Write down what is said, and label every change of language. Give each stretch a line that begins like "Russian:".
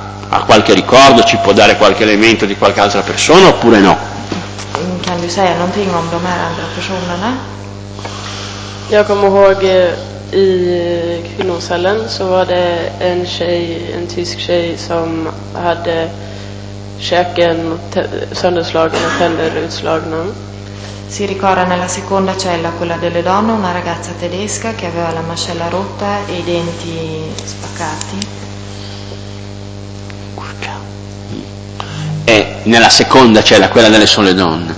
Italian: Ha qualche ricordo, ci può dare qualche elemento di qualche altra persona oppure no?
Swedish: Kan du säga någonting om de här andra personerna? Jag kommer ihåg i kvinnocellen så var det en tjej, en tysk tjej som hade käken sönderslagen och tänder utslagna.
Italian: Si ricorda nella seconda cella quella delle donne, una ragazza tedesca che aveva la mascella rotta e i denti spaccati. E nella seconda cella quella delle sole donne.